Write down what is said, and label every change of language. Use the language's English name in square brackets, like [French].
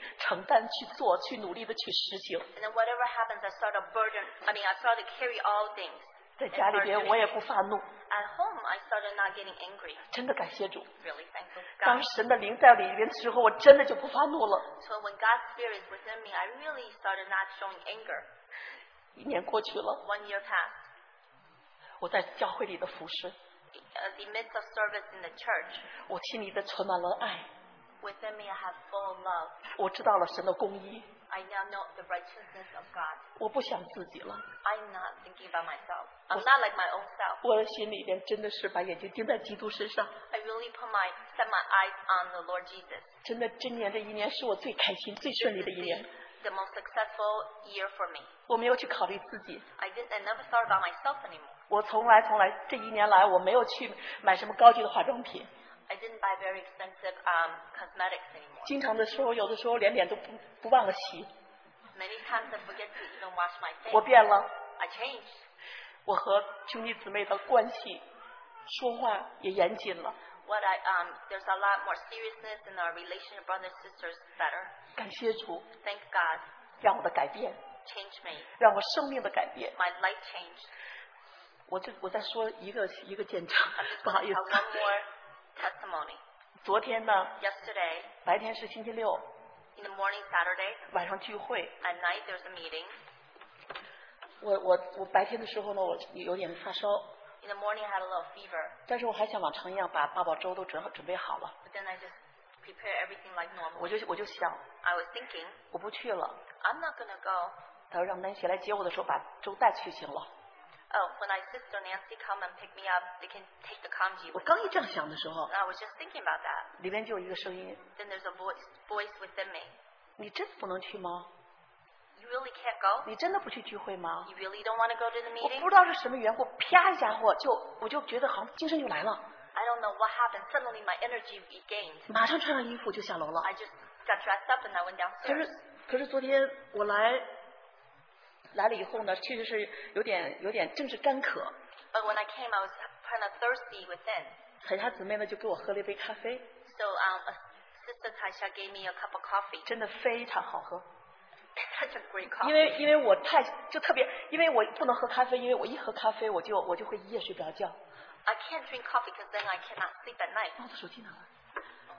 [Chinese] 什么事情我都去承担去做去努力的去实行。 [English] And then whatever happens, I start a burden. I mean, I start to carry all things. [Chinese] 在家里边我也不发怒。 [English] At home, I started not getting angry. [Chinese] 真的感谢主。 [English] Really thankful God. [Chinese] 当神的灵在里边之后，我真的就不发怒了。 [English] So when God's spirit is within me, I really started not showing anger. [Chinese] 一年过去了。 [English] One year passed. [Chinese] 我在教会里的服侍。 [English] The midst of service in the church. [Chinese] 我心里的存满了爱。 [English] Within me, I have full of love. [Chinese] 我知道了神的公义。 [English] I now know the righteousness of God. [Chinese] 我不想自己了。 [English] I'm not thinking about myself. I'm not like my own self. [Chinese] 我心里边真的是把眼睛盯在基督身上。 [English] I really set my eyes on the Lord Jesus. [Chinese] 真的，今年这一年是我最开心、最顺利的一年。 [English] The most successful year for me. [Chinese] 我没有去考虑自己。 [English] I never thought about myself anymore. [Chinese] 我从来，这一年来，我没有去买什么高级的化妆品。 [English] I didn't buy very expensive cosmetics anymore. [Chinese] 经常的时候，有的时候连脸都不忘了洗。Many [English] times I forget to even wash my face. [Chinese] 我变了。 [English] I changed. [Chinese] 我和兄弟姊妹的关系，说话也严谨了。 [English] What I there's a lot more seriousness in our relationship, brothers and sisters, better. [Chinese] 感谢主。 [English] Thank God. [Chinese] 让我的改变。 [English] Change me. [Chinese] 让我生命的改变。 [English] My life changed. [Chinese] 我再说一个见证，不好意思。 [English] One more. Testimony. [Chinese] 昨天呢, [English] Yesterday, [Chinese] 白天是星期六, [English] in the morning, Saturday, [Chinese] 晚上聚会, [English] at night, there's a meeting. [Chinese] 我白天的时候呢, 我有点发烧, [English] in the morning, I had a little fever. [Chinese] 但是我还像往常一样把八宝粥都准备好了, [English] but then I just prepared everything like normal. [Chinese] 我就想, [English] I was thinking, [Chinese] 我不去了, [English] I'm not going to go. [Chinese] 他让Nancy来接我的时候把粥带去行了。 [English] Oh, when my sister Nancy come and pick me up, they can take the congee. [Chinese] 我刚一这样想的时候, [English] I was just thinking about that. [Chinese] 里面就有一个声音, [English] then there's a voice within me. [Chinese] 你真的不能去吗? [English] You really can't go? [Chinese] 你真的不去聚会吗? [English] You really don't want to go to the meeting? [Chinese] 我不知道是什么缘故, 啪一下我就觉得好像精神就来了。 [English] I don't know what happened. Suddenly my energy regained. [Chinese] 马上穿上衣服就下楼了。 [English] I just got dressed up and I went downstairs. [Chinese] 可是昨天我来, 来了以后呢，其实是有点正式干渴。 [English] But when I came, I was kind of thirsty within. [Chinese] 其他姊妹呢就给我喝了一杯咖啡。 [English] So Sister Taisha gave me a cup of coffee. [Chinese] 真的非常好喝。 [English] Such a great coffee. [Chinese] 因为我不能喝咖啡，因为我一喝咖啡我就会一夜睡不着觉。 [English] I can't drink coffee because then I cannot sleep at night.